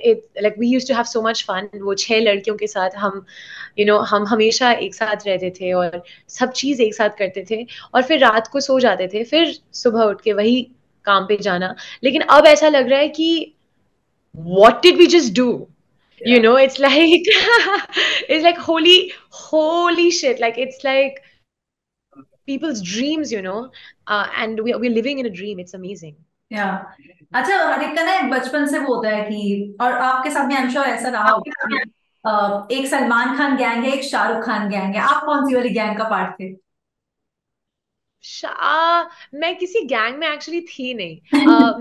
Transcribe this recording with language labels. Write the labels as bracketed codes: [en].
[en] It like we used to have so much fun. [hi] वो छह लड़कियों के साथ हम [en] you know [hi] हम हमेशा एक साथ रहते थे और सब चीज एक साथ करते थे, और फिर रात को सो जाते थे, फिर सुबह उठ के वही काम पे जाना. लेकिन अब ऐसा लग रहा है कि [en] What did we just do. Yeah. You know, it's like holy, holy shit. Like, it's like people's dreams, you know, and we're living in a dream. It's amazing. Yeah. [hi] अच्छा हरिक का ना एक बचपन से वो होता है कि, और आपके साथ भी [en] I'm sure [hi] ऐसा रहा होगा, एक सलमान खान गैंग है, एक शाहरुख खान गैंग है. आप कौन सी वाली गैंग का पार्ट थे? मैं किसी गैंग में एक्चुअली थी नहीं.